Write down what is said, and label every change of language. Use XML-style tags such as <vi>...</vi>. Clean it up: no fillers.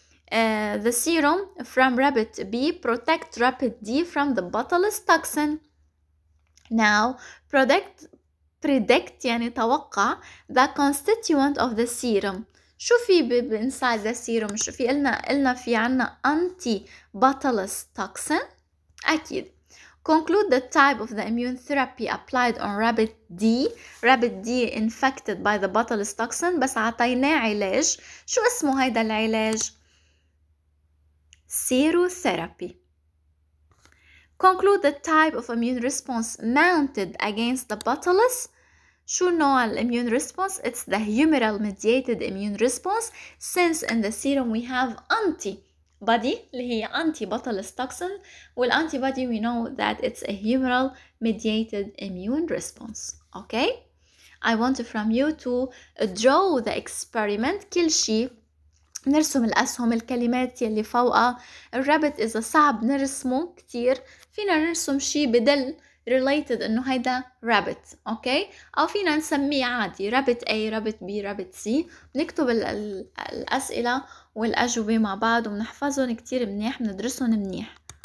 <en>the serum from rabbit B protect rabbit D from the botulinum toxin. Now predict</en> <ar>يعني توقع</ar> <en>the constituent of the serum.</en> <ar>شو في</ar> <en>inside the serum؟</en> <ar>شو في قلنا في عنا</ar> <en>anti botulinum toxin</en> <ar>أكيد.</ar> <en>Conclude the type of the immune therapy applied on rabbit D. Rabbit D infected by the botulinum toxin.</en> <ar>بس عطيناه علاج. شو اسمه هيدا العلاج؟ Serotherapy.</ar> <en>Conclude the type of immune response mounted against the botulinum.</en> <ar>شو نوع</ar> <en>immune response؟ It's the humoral mediated immune response. Since in the serum we have anti body اللي هي anti botulinum toxin والanti body we know that it's a humoral mediated immune response. Okay, I want from you to draw the experiment.</en> <ar>كل شيء نرسم الأسهم الكلمات يلي فوقها. الرابط إذا صعب نرسمه كتير فينا نرسم شيء بدل related إنه هيدا rabbit.</ar> <en>okay,</en> <ar>أو فينا نسميه عادي</ar> <en>rabbit A rabbit B rabbit C.</en> <ar>بنكتب الأسئلة والأجوبة مع بعض وبنحفظهم كتير منيح بندرسهم منيح.</ar>